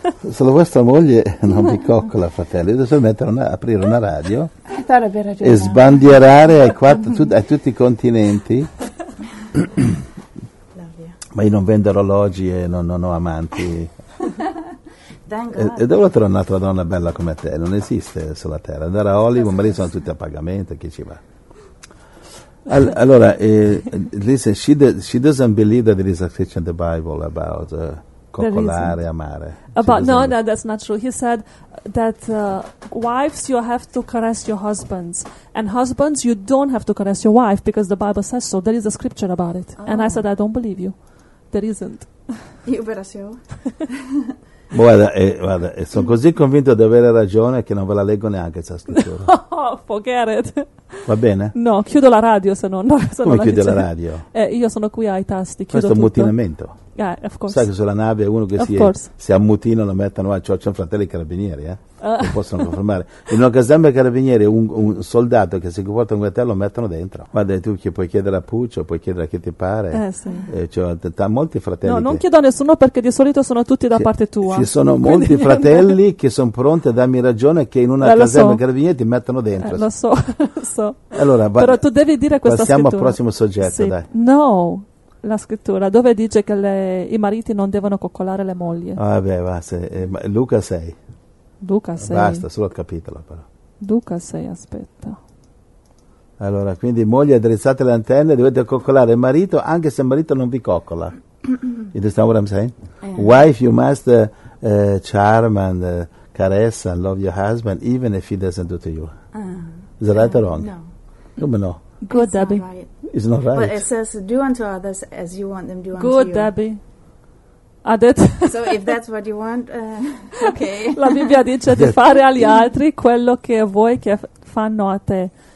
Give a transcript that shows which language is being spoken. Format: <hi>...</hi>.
<it>Se la vostra moglie non vi coccola, fratello, adesso mettere una, aprire una radio e sbandierare ai tutti i continenti. Ma io non vendo orologi e non ho amanti. E dove trovare un'altra donna bella come te? Non esiste sulla terra. Andare a Hollywood, ma lì sono tutti a pagamento, chi ci va?</it> <en>Allora, listen, she doesn't believe that there is a scripture in the Bible about</en> <it>coccolare, amare.</it> <en>That's not true. He said that wives, you have to caress your husbands. And husbands, you don't have to caress your wife because the Bible says so. There is a scripture about it. Oh. And I said, I don't believe you. There isn't.</en> <it>Io ve la so. Guarda, sono così convinto di avere ragione che non ve la leggo neanche questa scrittura.</it> <en>Forget it.</en> <it>Va bene? No, chiudo la radio se non... Se come non chiudi la radio? Io sono qui ai tasti, chiudo questo tutto. Ammutinamento.</it> <en>Of course.</en> <it>Sai che sulla nave uno che si ammutina lo mettono a cioccia un fratello i carabinieri, Lo possono confermare. In una caserma dei carabinieri un soldato che si comporta come te lo mettono dentro. Guarda, tu che puoi chiedere a Puccio, puoi chiedere a chi ti pare. Molti fratelli... No, non chiedo a nessuno perché di solito sono tutti da parte tua. Ci sono molti fratelli che sono pronti a darmi ragione che in una caserma dei carabinieri ti mettono dentro. Lo so. Allora, però tu devi dire questa scrittura. Passiamo al prossimo soggetto, dai. No. La scrittura, dove dice che i mariti non devono coccolare le mogli. Vabbè, basta. Luca 6. Luca 6. Basta, solo il capitolo però. Luca 6, aspetta. Allora, quindi moglie, addrizzate le antenne, dovete coccolare il marito anche se il marito non vi coccola.</it> <en>You understand what I'm saying? Wife, you must charm and caress and love your husband even if he doesn't do to you. Is that right or wrong? No.</en> <it>Come no?</it> <en>Good, it's Debbie. Not right. It's not right. But it says, do unto others as you want them to do good, unto you. Good, Debbie. Add it. So if that's what you want, okay.</en> <it>La Bibbia dice di fare agli altri quello che vuoi che fanno a te.</it>